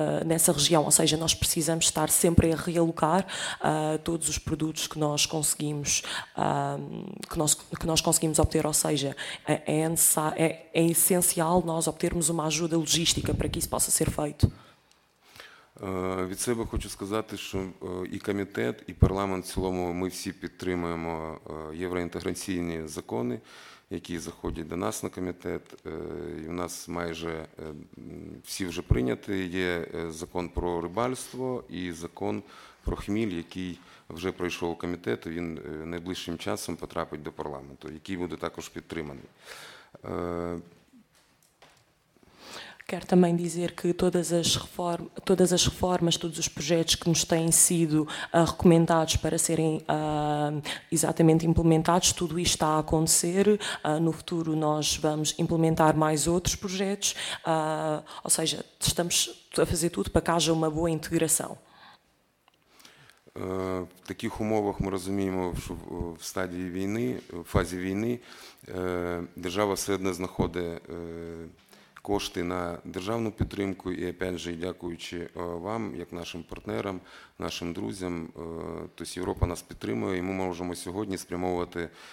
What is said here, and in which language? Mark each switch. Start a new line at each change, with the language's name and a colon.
Portuguese: nessa região, ou seja, nós precisamos estar sempre a realocar todos os produtos que nós conseguimos obter, ou seja, é essencial nós obtermos uma ajuda logística para que isso possa ser feito.
Ukrainian: Від себе хочу сказати, що і комітет, і парламент в цілому, ми всі підтримуємо євроінтеграційні закони, які заходять до нас на комітет. І в нас майже всі вже прийняті. Є закон про рибальство і закон про хміль, який вже пройшов комітет, він найближчим часом потрапить до парламенту, який буде також підтриманий.
Portuguese: Quero também dizer que todas as reformas, todos os projetos que nos têm sido recomendados para serem exatamente implementados, tudo isto está a acontecer. No futuro nós vamos implementar mais outros projetos, ou seja, estamos a fazer tudo para que haja uma boa integração.
Ukrainian: В таких умовах ми розуміємо, що в стадії війни, в фазі війни, держава все одно знаходить кошти на державну підтримку, і,
Russian: опять же,
Ukrainian: дякуючи вам, як нашим партнерам, нашим друзям, тобто Європа нас підтримує, і ми можемо сьогодні спрямовувати